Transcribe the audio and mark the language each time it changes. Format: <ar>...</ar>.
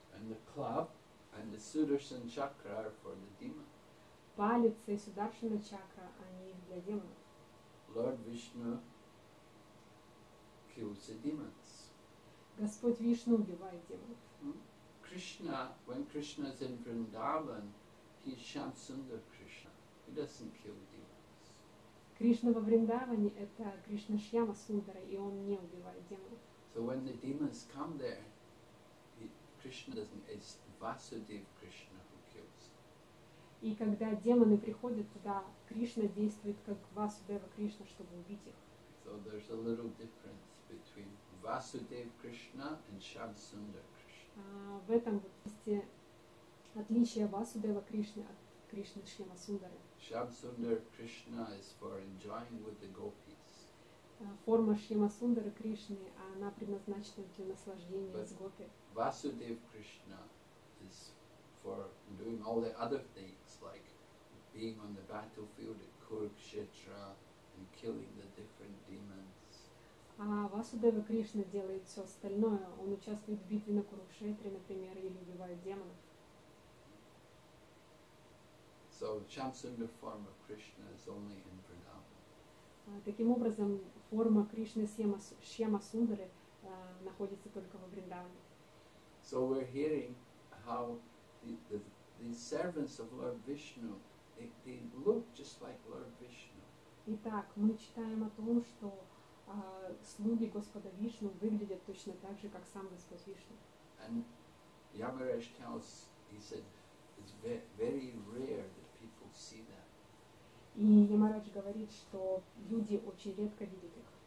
<en>And the club and the sudarshan chakra are for the demon.</en> <ru>Палица и сударшина чакра, они для демонов.</ru> <en>Lord Vishnu kills the demons.</en> <ru>Господь Вишну убивает демонов.</ru> <en>Krishna, when Krishna is in Vrindavan, he is Shamsundar Krishna. He doesn't kill demons.</en> <ru>Кришна во Вриндаване — это Кришна Шьяма Сундара, и он не убивает демонов.</ru> <en>So when the demons come there, it's Vasudev Krishna who kills.</en> <ru>И когда демоны приходят туда, Кришна действует как Васудева Кришна, чтобы убить их.</ru> <en>So there's a little difference between Vasudev Krishna and Shamsundar Krishna.</en> <ru>В этом есть отличие Васудева Кришны от Кришны Шьяма Сундары.</ru> <en>Shamsundar Krishna is for enjoying with the gopis.</en> <ru>Форма Шьяма Сундары Кришны, она предназначена для наслаждения с гопи.</ru> <en>Vasudev Krishna is for doing all the other things, like being on the battlefield at Kurukshetra and killing the different demons.</en> <ru>А Васудева Кришна делает все остальное. Он участвует в битве на Курукшетре, например, или убивает демонов.</ru> <en>So, Shamsundar form of Krishna is only in Vrindavan.</en> <ru>Таким образом, форма Кришны Шьяма Сундары находится только во Вриндаване.</ru> <en>So we're hearing how the servants of Lord Vishnu, they look just like Lord Vishnu.</en> <ru>Итак, мы читаем о том, что слуги Господа Вишну выглядят точно так же, как сам Господь Вишну.</ru> <en>And Yamaraj tells, he said, it's very rare that people see that.</en> <ru>И Ямарадж говорит, что люди очень редко видят их.</ru>